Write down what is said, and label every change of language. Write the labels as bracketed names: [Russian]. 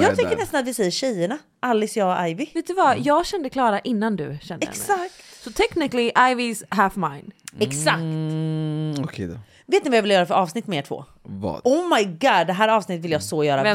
[Swedish] Jag tycker nästan att vi säger tjejerna. Alice, jag och Ivy. Vet du vad? Jag kände Klara innan du kände henne. Exakt. Så [English] technically, Ivy's half mine. [Swedish] Exakt. Okej då. Vet ni vad jag vill göra för avsnitt med er två? Vad? [English] Oh my god, [Swedish] det här avsnittet vill jag så göra.